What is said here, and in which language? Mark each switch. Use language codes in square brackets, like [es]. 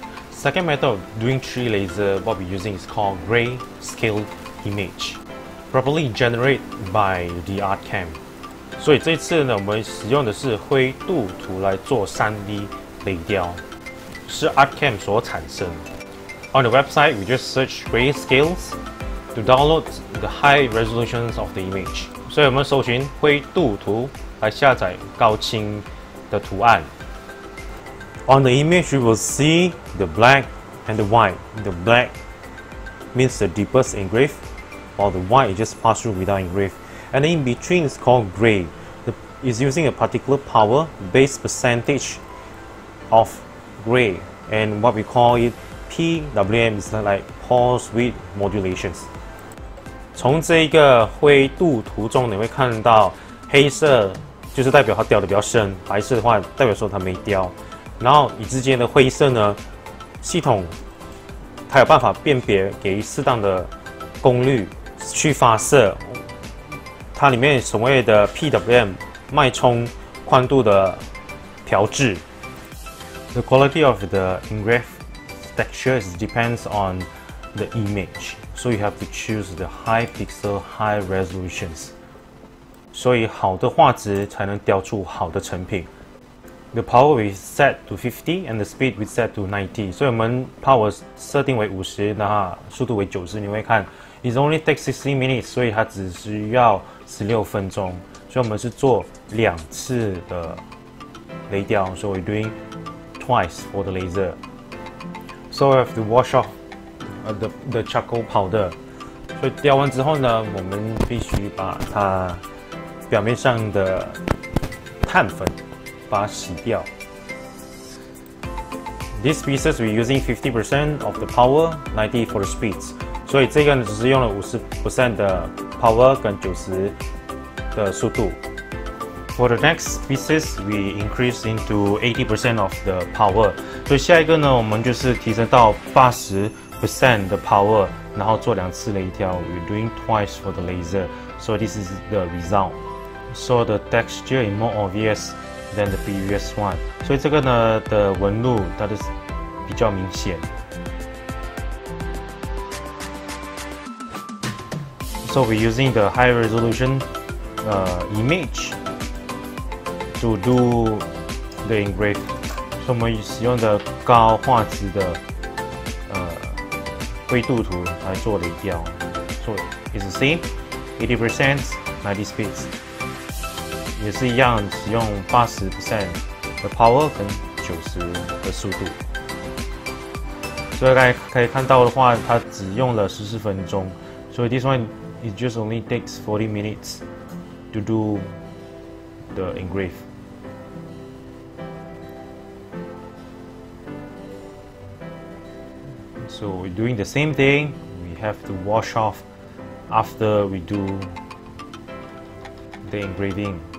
[en] second method of doing 3D laser, what we're using is called grayscale image, properly generated by the Artcam. [zh] 所以这次呢，我们使用的是灰度图来做 3D 雷雕，是 Artcam 所产生。 [en] On the website, we just search grayscales to download the high resolutions of the image. [zh] 所以我们搜寻灰度图来下载高清的图案。 [en] On the image, we will see the black and the white. The black means the deepest engrave, while the white is just pass through without engrave. And in between is called gray. It's using a particular power base percentage of gray, and what we call it PWM is like pulse width modulations. [zh] 从这个灰度图中，你会看到黑色就是代表它雕的比较深，白色的话代表说它没雕。然后与之间的灰色呢，系统它有办法辨别，给予适当的功率去发射。它里面所谓的 PWM 脉冲宽度的调制。 [en] The quality of the engrave texture depends on the image, so you have to choose the high pixel, high resolutions. [zh] 所以好的画质才能雕出好的成品。 [en] The power we set to 50 and the speed we set to 90. [zh] 所以我们 power 设定为 50, 那速度为 90, 你会看 [en] It only takes 16 minutes, [zh] 所以它只需要16分钟。所以我们是做两次的雷雕，所以 [en] we're doing twice for the laser. So we have to wash off the charcoal powder. [zh] 所以雕完之后呢，我们必须把它表面上的碳粉把它洗掉。 [en] These pieces we're using 50% of the power, 90 for the speeds. [zh] 所以这个只是用了 50% 的 power 跟90的速度。 [en] For the next pieces, we increase into 80% of the power. [zh] 所以下一个呢，我们就是提升到 80% 的 power, 然后做两次雷雕。 [en] We're doing twice for the laser. So this is the result. So the texture is more obvious. than the previous one. [zh] 所以这个呢的纹路它的比较明显。 [en] So we're using the high resolution image to do the engrave. [zh] 所以我们使用的高画质的灰度图来做雷雕。 [en] So it's the same, 80%, 90 speeds. [zh] 也是一样，使用 80% 的 power 跟90的速度。所以大家可以看到的话，它只用了14分钟。 [en] 所以 this one it just only takes 40 minutes to do the engrave. 所以 we're doing the same thing. We have to wash off after we do the engraving.